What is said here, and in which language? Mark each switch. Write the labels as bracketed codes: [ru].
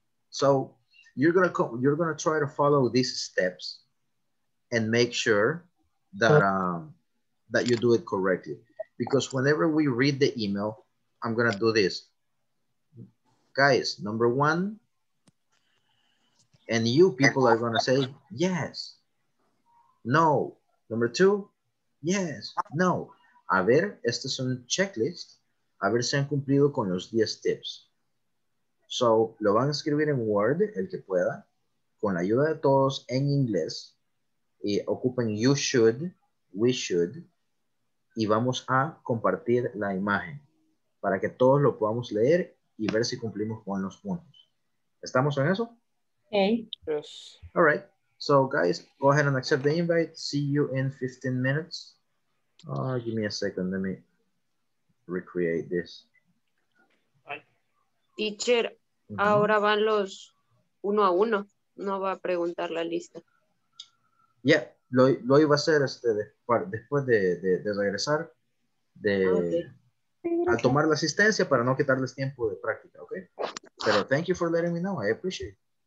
[en] So you're gonna try to follow these steps and make sure that that you do it correctly. Because whenever we read the email, I'm gonna do this. Guys, number one, and you people are gonna say yes, no. Number two, yes, no. [es] A ver, este es un checklist. A ver si han cumplido con los 10 tips. So, lo van a escribir en Word, el que pueda, con la ayuda de todos en inglés. Y ocupen [en] you should, we should. [es] Y vamos a compartir la imagen para que todos lo podamos leer y ver si cumplimos con los puntos. ¿Estamos en eso? [en] Okay. Yes. All right. So, guys, go ahead and accept the invite. See you in 15 minutes. Oh, give me a second. Let me recreate this. [es] Teacher, mm-hmm. Ahora van los uno a uno. No va a preguntar la lista. [en] Yeah, [es] lo iba a hacer después de regresar. Okay. A tomar la asistencia para no quitarles tiempo de práctica, okay? Pero [en] thank you for letting me know. I appreciate it.